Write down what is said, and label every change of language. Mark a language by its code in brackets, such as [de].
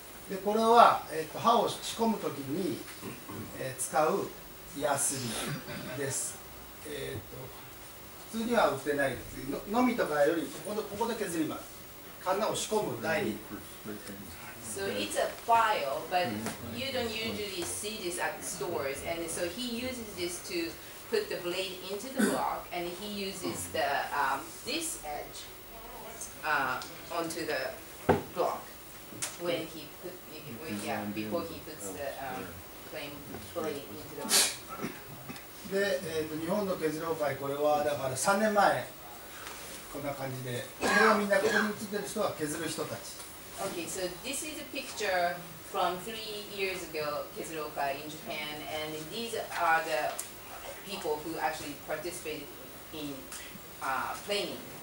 [ja] でこれは刃を仕込むときに使うヤスリです。普通には打てないです。のみとかよりここで削ります。カンナを仕込む台に。 [en] So it's a file, but you don't usually see this at stores. And so he uses this to put the blade into the block, and he uses the this edge onto the block when he put before he puts the plain blade into the block. [ja] で、日本の kezuroukai これはだから3年前。こんな感じで、これはみんなここに写ってる人は削る人たち。 [en] Okay, so this is a picture from 3 years ago, kezuroukai in Japan, and these are the people who actually participated in planing.